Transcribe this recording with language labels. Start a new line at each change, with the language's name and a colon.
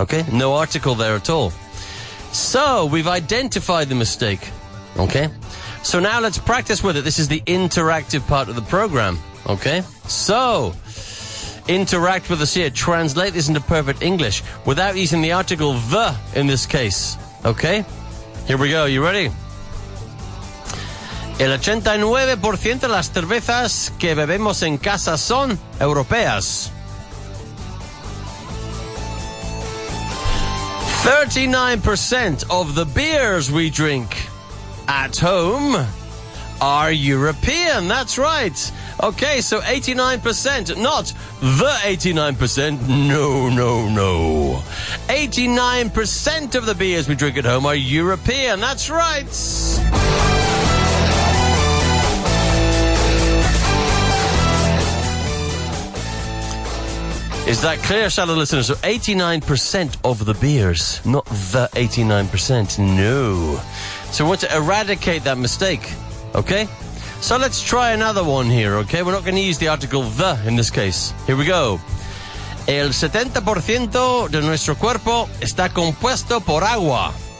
English: Okay. No article there at all. So we've identified the mistake. Okay. So now let's practice with it. This is the interactive part of the program. Okay. So interact with us here. Translate this into perfect English without using the article the in this case. Okay. Here we go. You ready?
Spanish: El 89% de las cervezas que bebemos en casa son europeas.
English: 39% of the beers we drink at home are European. That's right. Okay, so 89%, not the 89%. No, no, no. 89% of the beers we drink at home are European. That's right. Is that clear, shallow listeners? So 89% of the beers, not the 89%, no. So we want to eradicate that mistake, okay? So let's try another one here, okay? We're not going to use the article the in this case. Here we go.
Spanish: El 70% de nuestro cuerpo está compuesto por agua.